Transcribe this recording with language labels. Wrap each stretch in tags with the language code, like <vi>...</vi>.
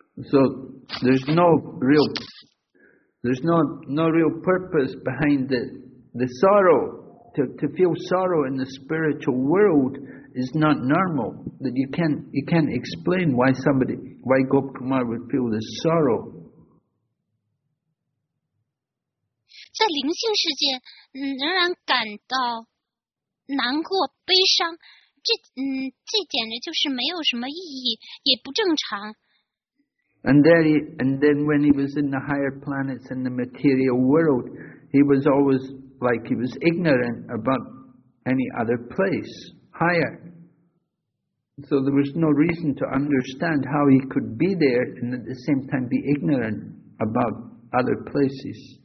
<en>So there's no real purpose behind the sorrow. To feel sorrow in the spiritual world is not normal. That you can't explain why Gop Kumar would feel this sorrow.</en> <zh>在灵性世界，仍然感到难过、悲伤，这简直就是没有什么意义，也不正常。</zh> <en>And then when he was in the higher planets in the material world, he was always like he was ignorant about any other place higher. So there was no reason to understand how he could be there and at the same time be ignorant about other places.</en>